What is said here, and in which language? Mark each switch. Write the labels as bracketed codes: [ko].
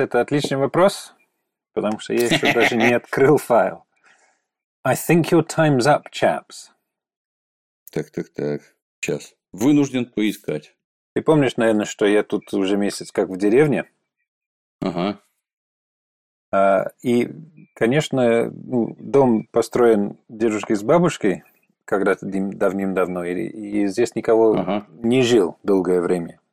[ru] Это отличный вопрос, потому что я еще даже не открыл файл. [en] I think your time's up, chaps. [ru] Так. Сейчас. Вынужден поискать. Ты помнишь, наверное, что я тут уже месяц как в деревне? Ага. И, конечно, дом построен дедушкой с бабушкой когда-то давным-давно, и здесь никого не жил долгое время.